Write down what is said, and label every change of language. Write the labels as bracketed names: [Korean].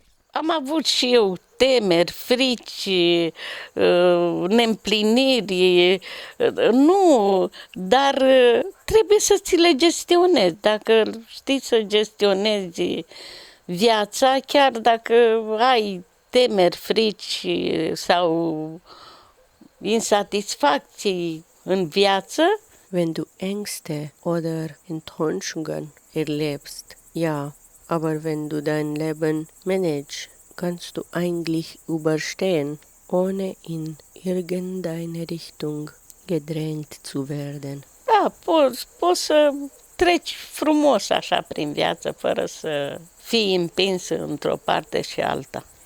[Romanian] Am avut și eu temeri, frici, neîmpliniri, nu, dar trebuie să ți le gestionezi, dacă știi să gestionezi viața, chiar dacă ai temeri, frici sau insatisfacții în viață. [German] Wenn du Ängste oder Enttäuschungen erlebst, ja, aber wenn du dein Leben managst, kannst du eigentlich überstehen, ohne in irgendeine Richtung gedrängt zu werden. [Romanian] Da, poți să treci frumos așa prin viață, fără să fii împins într-o parte și alta.